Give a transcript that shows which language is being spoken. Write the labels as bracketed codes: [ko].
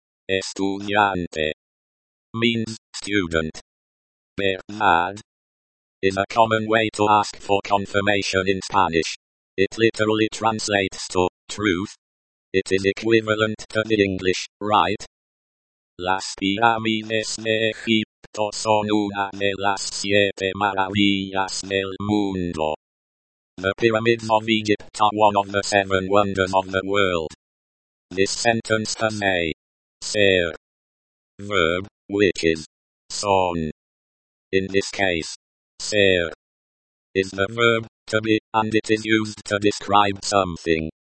[en] Estudiante means student. Bernard is a common way to ask for confirmation in Spanish. It literally translates to truth. It is equivalent to the English, right? [es] Las pirámides de Egipto son una de las siete maravillas del mundo. [en] The pyramids of Egypt are one of the seven wonders of the world. This sentence has a ser verb, which is son. In this case, ser is the verb to be, and it is used to describe something.